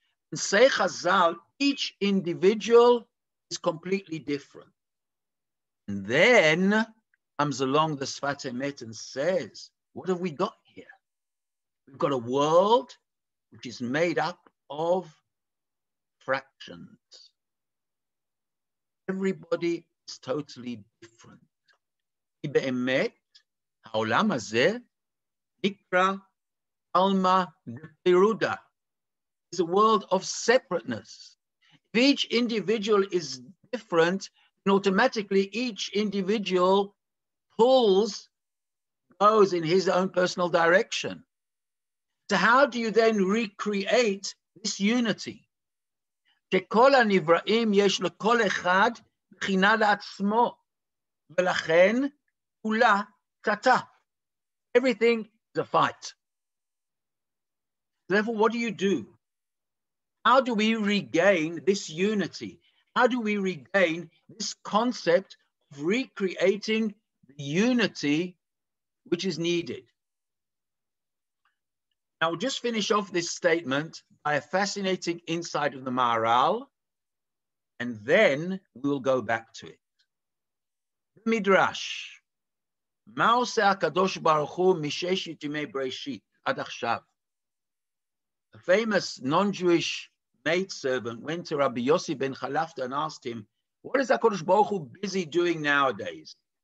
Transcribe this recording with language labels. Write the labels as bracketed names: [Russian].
[English] And say Chazal, each individual is completely different. And then comes along the Sfat Emet and says, what have we got here? We've got a world which is made up of fractions. Everybody is totally different. [Hebrew] באמת, העולם הזה נקרא Alma Piruda. [English] It's a world of separateness. If each individual is different, and automatically each individual goes in his own personal direction. So how do you then recreate this unity? [Hebrew] שכל הנבראים יש לכל אחד בחינה לעצמו, ולכן Ula tata. [English] Everything is a fight. Therefore, what do? How do we regain this unity? How do we regain this concept of recreating the unity which is needed? Now, we'll just finish off this statement by a fascinating insight of the Maharal, and then we'll go back to it. Midrash. [Hebrew] מה עושה הקדוש ברוך הוא מששת ימי בראשית עד עכשיו? [English] A famous non-Jewish maidservant went to Rabbi Yossi ben Chalafta and asked him, what is הקדוש ברוך הוא busy doing nowadays?